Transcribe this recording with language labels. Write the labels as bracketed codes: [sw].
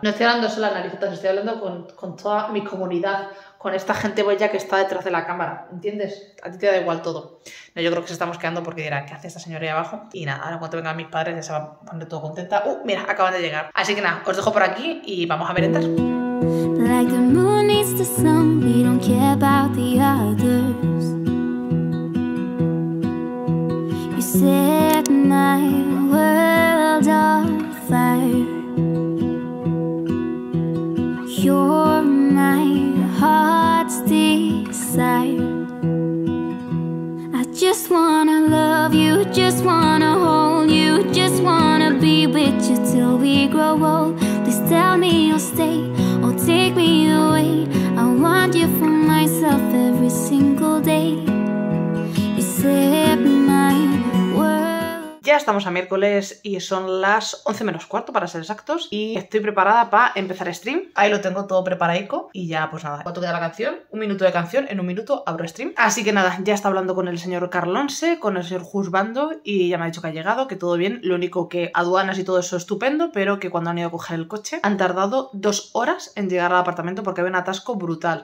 [es] No estoy hablando sola, Narizotas, estoy hablando con toda mi comunidad, con esta gente bella que está detrás de la cámara, ¿entiendes? A ti te da igual todo. No, yo creo que se está mosqueando porque dirá, ¿qué hace esta señora ahí abajo? Y nada, ahora cuando vengan mis padres ya se va a poner todo contenta. Mira, acaban de llegar. Así que nada, os dejo por aquí y vamos a merendar. [en] Like the moon needs the sun, we don't care about the others. You set my world on fire. You're my heart's desire. I just wanna love you, just wanna hold you, just wanna be with you till we grow old. Please tell me you'll stay. Take me away, I want you for myself every single day. You set my world. [es] Ya estamos a miércoles y son las 11 menos cuarto para ser exactos y estoy preparada para empezar stream. Ahí lo tengo todo preparado y ya pues nada, cuando queda la canción, un minuto de canción, en un minuto abro stream. Así que nada, ya está hablando con el señor Carlonse, con el señor Juzbando y ya me ha dicho que ha llegado, que todo bien, lo único que aduanas y todo eso estupendo, pero que cuando han ido a coger el coche han tardado 2 horas en llegar al apartamento porque había un atasco brutal.